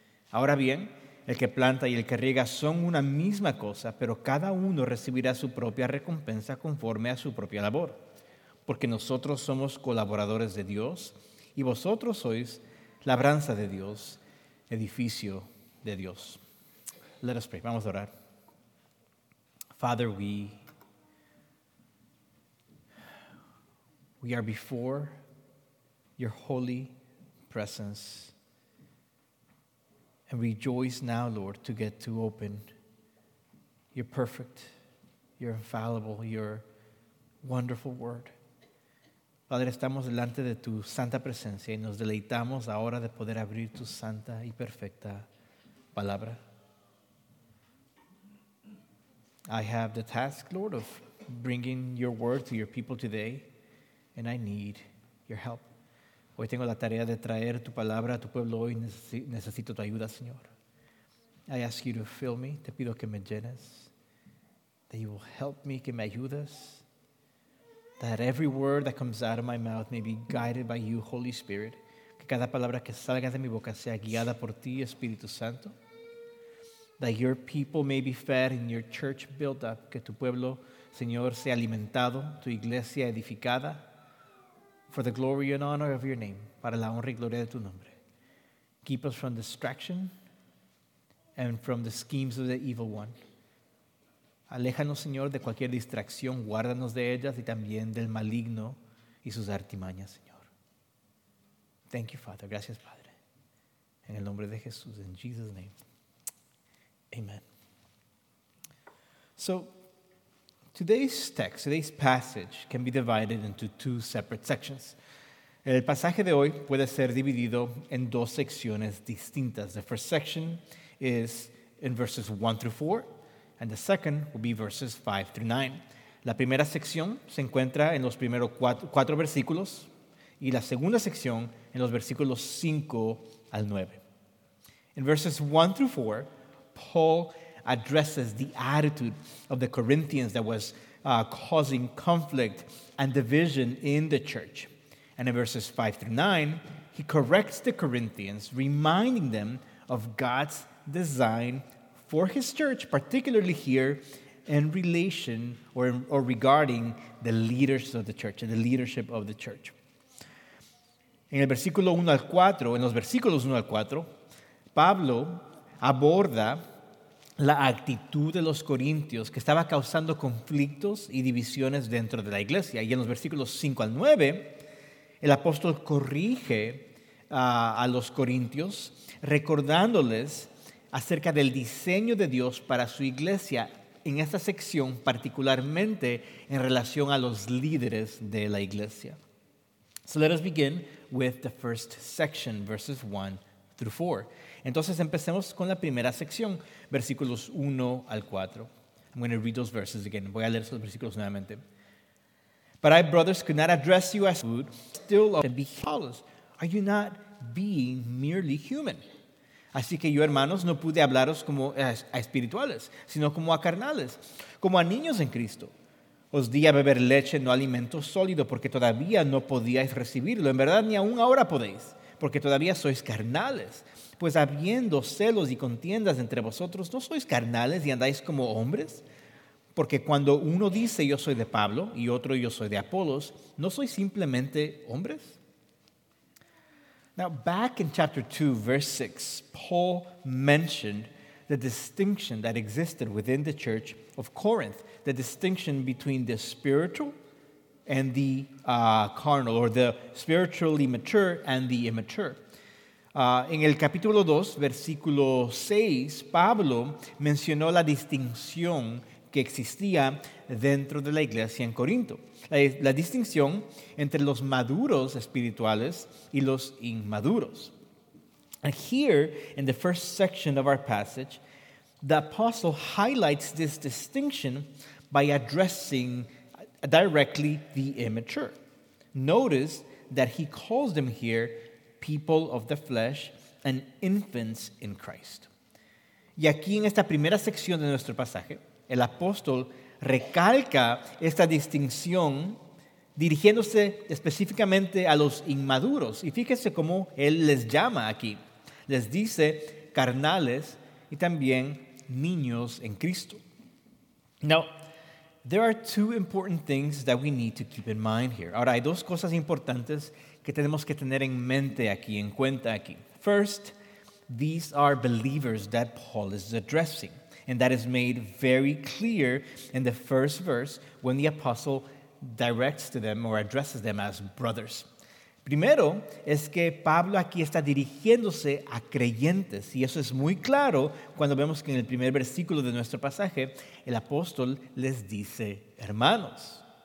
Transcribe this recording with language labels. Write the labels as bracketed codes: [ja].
[es] Ahora bien, el que planta y el que riega son una misma cosa, pero cada uno recibirá su propia recompensa conforme a su propia labor. Porque nosotros somos colaboradores de Dios y vosotros sois labranza de Dios, edificio de Dios. [en] Let us pray. [es] Vamos a orar. [en] Father, we are before your holy presence and rejoice now, Lord, to get to open your perfect, your infallible, your wonderful word. [es] Padre, estamos delante de tu santa presencia y nos deleitamos ahora de poder abrir tu santa y perfecta palabra. [en] I have the task, Lord, of bringing your word to your people today. And I need your help. [es] Hoy tengo la tarea de traer tu palabra a tu pueblo y necesito tu ayuda, Señor. [en] I ask you to fill me. [es] Te pido que me llenes. [en] That you will help me, [es] que me ayudes. [en] That every word that comes out of my mouth may be guided by you, Holy Spirit. [es] Que cada palabra que salga de mi boca sea guiada por ti, Espíritu Santo. [en] That your people may be fed and your church built up. [es] Que tu pueblo, Señor, sea alimentado, tu iglesia edificada. [en] For the glory and honor of your name, [es] para la honra y gloria de tu nombre. [en] Keep us from distraction and from the schemes of the evil one. [es] Aléjanos, Señor, de cualquier distracción, guárdanos de ellas y también del maligno y sus artimañas, Señor. [en] Thank you, Father. [es] Gracias, Padre. En el nombre de Jesús, [en] in Jesus' name. Amen. So, today's text, today's passage, can be divided into two separate sections. [es] El pasaje de hoy puede ser dividido en dos secciones distintas. [en] The first section is in verses 1 through 4, and the second will be verses 5 through 9. [es] La primera sección se encuentra en los primeros cuatro versículos, y la segunda sección en los versículos 5 al 9. [en] In verses 1 through 4, Paul addresses the attitude of the Corinthians that was causing conflict and division in the church. And in verses 5 through 9, he corrects the Corinthians, reminding them of God's design for his church, particularly here in relation or regarding the leaders of the church, the leadership of the church. [es] En el versículo 1 al 4, en los versículos 1 al 4, Pablo aborda la actitud de los corintios que estaba causando conflictos y divisiones dentro de la iglesia. Y en los versículos 5 al 9, el apóstol corrige a los corintios recordándoles acerca del diseño de Dios para su iglesia en esta sección, particularmente en relación a los líderes de la iglesia. [en] So let us begin with the first section, verses 1 through 4. [es] Entonces empecemos con la primera sección, versículos 1 al 4. [en] I'm going to read those verses again. [es] Voy a leer esos versículos nuevamente. [en] But I, brothers, could not address you as food, still of be hollows. Are you not being merely human? [es] Así que yo, hermanos, no pude hablaros como a espirituales, sino como a carnales, como a niños en Cristo. Os di a beber leche, no alimento sólido, porque todavía no podíais recibirlo. En verdad, ni aún ahora podéis, porque todavía sois carnales. Pues habiendo celos y contiendas entre vosotros, ¿no sois carnales y andáis como hombres? Porque cuando uno dice yo soy de Pablo y otro yo soy de Apolos, ¿no sois simplemente hombres? [en] Now, back in chapter 2, verse 6, Paul mentioned the distinction that existed within the church of Corinth, the distinction between the spiritual and the carnal, or the spiritually mature and the immature. [es] En el capítulo 2, versículo 6, Pablo mencionó la distinción que existía dentro de la iglesia en Corinto. La distinción entre los maduros espirituales y los inmaduros. [en] And here, in the first section of our passage, the apostle highlights this distinction by addressing directly the immature. Notice that he calls them here people of the flesh and infants in Christ. [es] Y aquí en esta primera sección de nuestro pasaje, el apóstol recalca esta distinción dirigiéndose específicamente a los inmaduros. Y fíjese cómo él les llama aquí. Les dice carnales y también niños en Cristo. [en] Now, there are two important things that we need to keep in mind here. [es] Ahora, hay dos cosas importantes que tenemos que tener en mente aquí, en cuenta aquí. [en] First, these are believers that Paul is addressing. And that is made very clear in the first verse when the apostle directs to them or addresses them as brothers. [es] Primero, es que Pablo aquí está dirigiéndose a creyentes. Y eso es muy claro cuando vemos que en el primer versículo de nuestro pasaje, el apóstol les dice hermanos.